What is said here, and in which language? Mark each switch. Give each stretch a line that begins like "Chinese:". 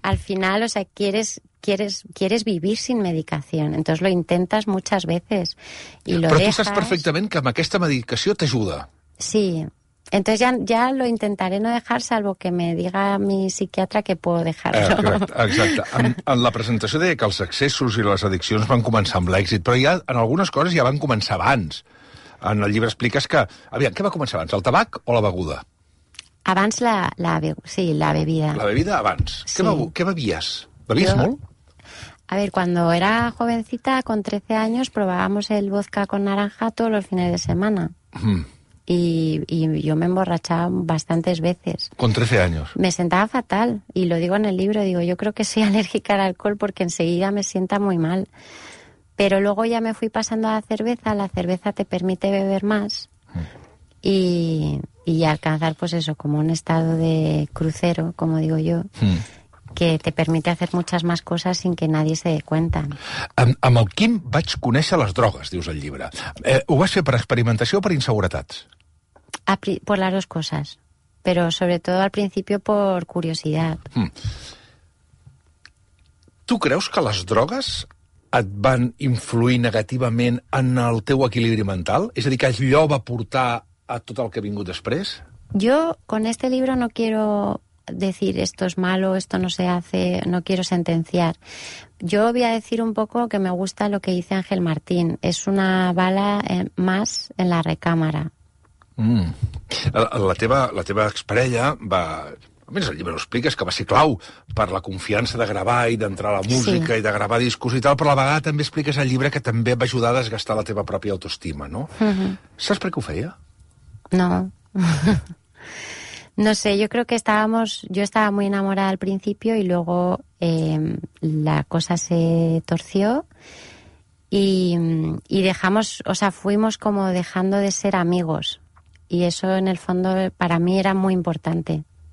Spanish: Al final, o sea, quieres vivir sin medicación. Entonces lo intentas muchas veces y lo dejas. Pero tú sabes perfectamente que con esta medicación te ayuda. Sí. Entonces ya lo intentaré no dejar, salvo que me diga mi psiquiatra que puedo dejarlo.
Catalan: Exacte. En la presentació deia que els excessos i les addiccions van començar amb l'èxit, però ja, en algunes coses ja van començar abans. En el llibre expliques que... Aviam, què va començar abans, el tabac o la beguda?
Spanish: Abans la bebida. La bebida abans. Sí.
Catalan: Què bebies? Bebies molt?
Spanish: A ver, cuando era jovencita, con 13 años, probábamos el vodka con naranja todos los fines de semana. Y yo me emborrachaba bastantes veces. ¿Con 13 años? Me sentaba fatal. Y lo digo en el libro, digo, yo creo que soy alérgica al alcohol porque enseguida me sienta muy mal. Pero luego ya me fui pasando a la cerveza te permite beber más. Y alcanzar, pues eso, como un estado de crucero, como digo yo, que te permite hacer muchas más cosas sin que nadie se dé cuenta.
Catalan: Amb el Quim vaig conèixer les drogues, dius el llibre. Ho vas fer per experimentació o per inseguretats?
Spanish: Por las dos cosas. pero sobre todo al principio por curiosidad. Mm.
Catalan: ¿Tú creus que les drogues et van influir negativament en el teu equilibri mental? És a dir, que allò va portar a tot el que ha vingut després?
Spanish: Yo con este libro no quiero decir esto es malo, esto no se hace, no quiero sentenciar. Yo voy a decir un poco que me gusta lo que dice Ángel Martín. Es una bala más en la recámara.
Catalan: Mm. La teva exparella va... A més, el llibre ho expliques, que va ser clau per la confiança de gravar i d'entrar a la música, sí, i de gravar discos i tal, però a la vegada també expliques el llibre que també va ajudar a desgastar la teva pròpia autoestima, no? Uh-huh. Saps per què ho feia? No.
Spanish: No sé, yo creo que yo estaba muy enamorada al principio y luego la cosa se torció y dejamos, o sea, fuimos como dejando de ser amigos y eso en el fondo para mí era muy importante.